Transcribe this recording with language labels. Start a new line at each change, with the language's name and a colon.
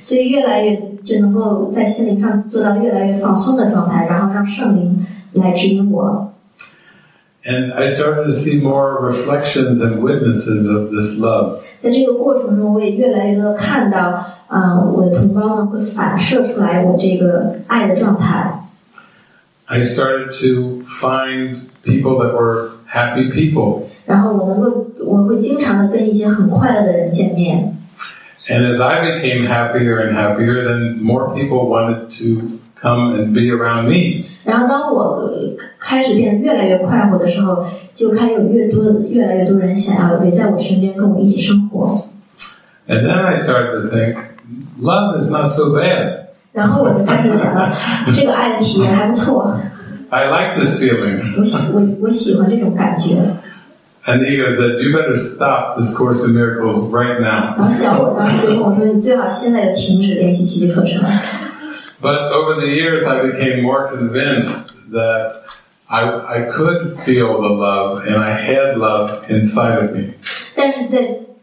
English: And I started to see more reflections and witnesses of this love. I I started to find people that were happy people.
Chinese: 然后我会经常的跟一些很快乐的人见面。
English: And as I became happier and happier, then more people wanted to come and be around me.
Chinese: 然后当我开始变得越来越快活的时候，就开始有越来越多人想要围在我身边跟我一起生活。
English: And then I started to think, love is not so bad.
Chinese: 然后我就开始想了，这个爱的体验还不错。
English: I like this feeling.
Chinese: 我喜欢这种感觉。
English: And the ego said, you better stop this Course in Miracles right now. But over the years, I became more convinced that I could feel the love, and I had love inside of me.